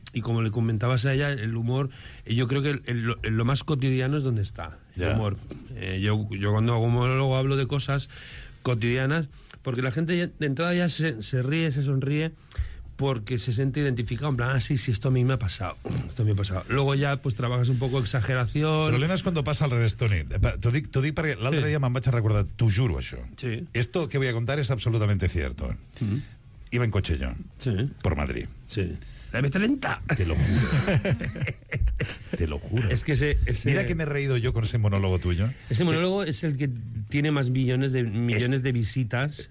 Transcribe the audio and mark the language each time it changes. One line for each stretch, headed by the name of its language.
Spanish: Y como le comentabas a ella, el humor, yo creo que lo más cotidiano es donde está el humor. Yo cuando hago monólogo hablo de cosas cotidianas porque la gente de entrada ya se ríe, se sonríe, porque se siente identificado, en plan, ah, sí, esto a mí me ha pasado. Luego ya, pues, trabajas un poco exageración... El problema es cuando pasa al revés, Toni.
Catalan: T'ho dic perquè l'altre dia me'n vaig a recordar, t'ho juro, això.
Spanish: Sí. Esto que voy a contar es absolutamente cierto. Mm-hmm. Iba en coche yo. Sí. Por Madrid. Sí. ¡La vez 30! Te lo juro. Te lo juro. Es que ese... Mira que me he reído yo con ese monólogo tuyo. Ese monólogo es el que tiene más millones de visitas.